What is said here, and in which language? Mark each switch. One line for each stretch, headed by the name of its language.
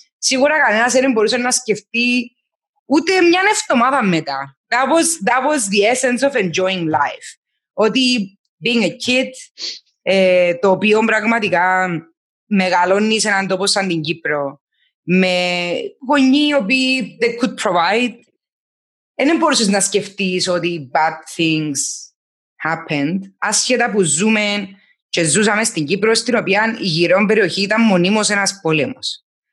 Greek: Σίγουρα κανένας δεν μπορούσε να σκεφτεί ούτε μια εβδομάδα μετά.
English: That was the essence of enjoying life.
Greek: Ότι
English: being a kid,
Greek: το οποίο πραγματικά μεγαλώνει σε έναν τόπο σαν την Κύπρο, με γονείς οι οποίοι
English: they could provide,
Greek: δεν μπορούσες να σκεφτείς ότι
English: bad things happened,
Greek: ασχέτα που ζούμε και ζούσαμε στην Κύπρο, στην οποία η γύρω περιοχή ήταν μονίμως ένας πόλεμος.